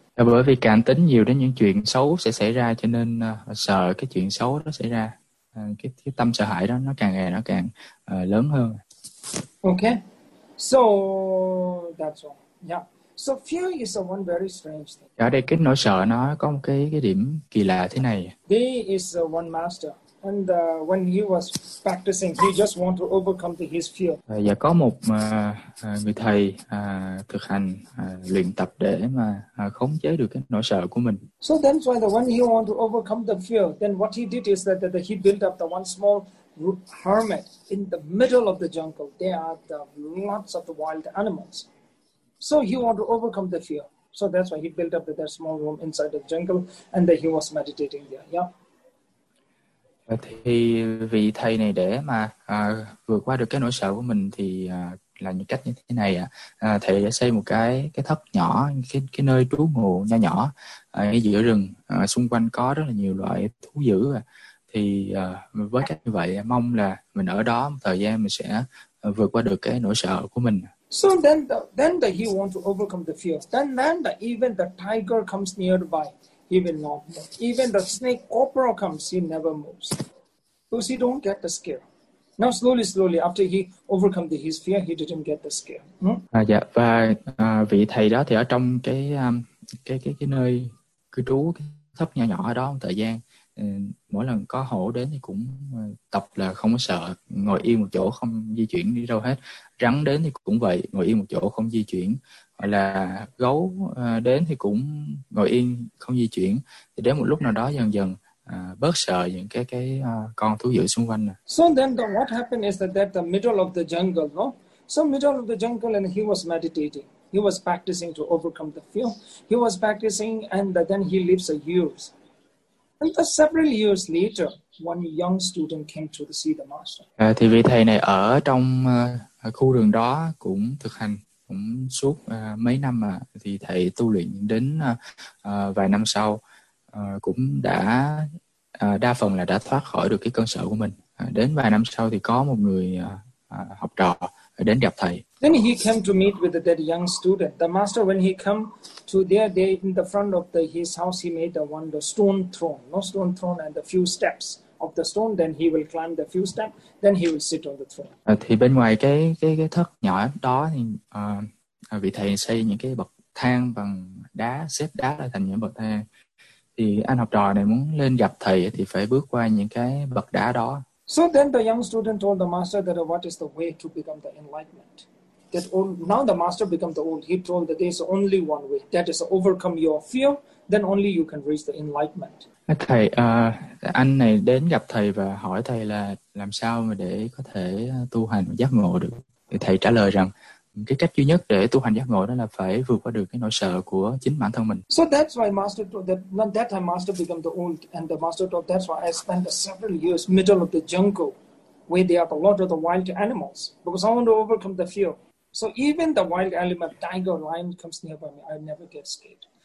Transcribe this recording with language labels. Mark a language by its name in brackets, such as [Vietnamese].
[Vietnamese] Bởi vì càng tính nhiều đến những chuyện xấu sẽ xảy ra, cho nên sợ cái chuyện xấu nó xảy ra. Cái tâm sợ hãi đó nó càng ngày nó càng lớn hơn. [English] Okay. So that's all. Yeah. So fear is a one very strange thing. [Vietnamese] Ở đây cái nỗi sợ nó có một cái điểm kỳ lạ thế này. [English] He is one master. And when he was practicing, he just want to overcome the his fear. [Vietnamese] Và có một người thầy thực hành luyện tập để mà khống chế được cái nỗi sợ của mình. [English] So that's why the when he want to overcome the fear, then what he did is that he built up the one small hermit in the middle of the jungle. There are the lots of the wild animals. So he want to overcome the fear. So that's why he built up that small room inside the jungle, and then he was meditating there. Yeah. [Vietnamese] Thì vị thầy này để mà vượt qua được cái nỗi sợ của mình thì là những cách như thế này ạ. Thầy đã xây một cái thất nhỏ, cái nơi trú ngụ nhỏ nhỏ giữa rừng, xung quanh có rất là nhiều loại thú dữ. Thì với cách như vậy mong là mình ở đó một thời gian mình sẽ vượt qua được cái nỗi sợ của mình. [English] So then the he want to overcome the fear. Then the even the tiger comes nearby. He will not move. Even the snake cobra comes, he never moves. Because he don't get the scare. Now slowly, after he overcome his fear, he didn't get the scare. Hmm? [Vietnamese] Vị thầy đó thì ở trong cái nơi cư trú thấp nhỏ nhỏ ở đó một thời gian. Mỗi lần có hổ đến thì cũng tập là không có sợ, ngồi yên một chỗ không di chuyển đi đâu hết. Rắn đến thì cũng vậy, ngồi yên một chỗ không di chuyển. Hoặc là gấu đến thì cũng ngồi yên không di chuyển. Thì đến một lúc nào đó dần dần bớt sợ những cái con thú dữ xung quanh. [English] So then what happened is that the middle of the jungle, no? So middle of the jungle and he was meditating. He was practicing to overcome the fear. He was practicing and then he lives a years. And several years later, one young student came to see the master. [Vietnamese] Thì vị thầy này ở trong khu rừng đó cũng thực hành cũng suốt mấy năm mà thì thầy tu luyện đến vài năm sau cũng đã đa phần là đã thoát khỏi được cái cơn sợ của mình. Đến vài năm sau thì có một người học trò đến gặp thầy. [English] Then he came to meet with that young student. The master, when he come to there, they in the front of his house, he made the stone throne, no stone throne and a few steps of the stone. Then he will climb the few steps. Then he will sit on the throne. [Vietnamese] Thì bên ngoài cái thất nhỏ đó thì vị thầy xây những cái bậc thang bằng đá, xếp đá lại thành những bậc thang. Thì anh học trò này muốn lên gặp thầy thì phải bước qua những cái bậc đá đó. [English] So then the young student told the master that what is the way to become the enlightenment. That now the master become the old. He told that there is only one way. That is to overcome your fear. Then only you can reach the enlightenment. [Vietnamese] Thầy, anh này đến gặp thầy và hỏi thầy là làm sao mà để có thể tu hành giác ngộ được. Thầy trả lời rằng cái cách duy nhất để tu hành giác ngộ đó là phải vượt qua được cái nỗi sợ của chính bản thân mình. [English] So that's why master told that that time master become the old and the master told that's why I spent several years middle of the jungle where there are a lot of the wild animals, because I want to overcome the fear. So even the wild animal, tiger, lion comes nearby me, I never get scared.